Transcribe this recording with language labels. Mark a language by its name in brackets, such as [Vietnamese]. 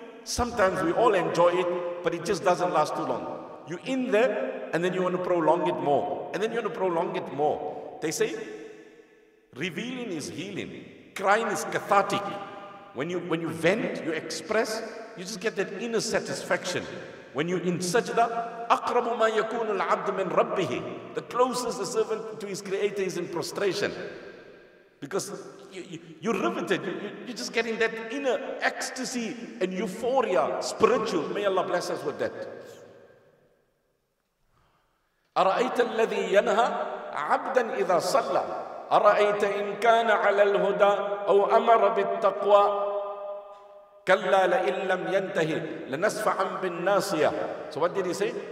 [English] Sometimes we all enjoy it, but it just doesn't last too long. You're in there, and then you want to prolong it more. And then you want to prolong it more. They say, revealing is healing. Crying is cathartic. When you vent, you express, you just get that inner satisfaction. When you're in sajda, [Arabic] أَقْرَبُ مَا يَكُونُ الْعَبْدُ مِنْ رَبِّهِ. [English] The closest a servant to his creator is in prostration. Because you're riveted. You're just getting that inner ecstasy and euphoria, spiritual. May Allah bless us with that. [Arabic] أَرَأَيْتَ الَّذِي يَنْهَى عَبْدًا إِذَا صَلَّى أَرَأَيْتَ إِنْ كَانَ عَلَى الْهُدَى أَوْ أَمَرَ بِالتَّقْوَى كَلَّا لَإِنْ لَمْ يَنْتَهِ لَنَسْفَعًا بِالنَّاصِيَةِ. [English] So what did he say?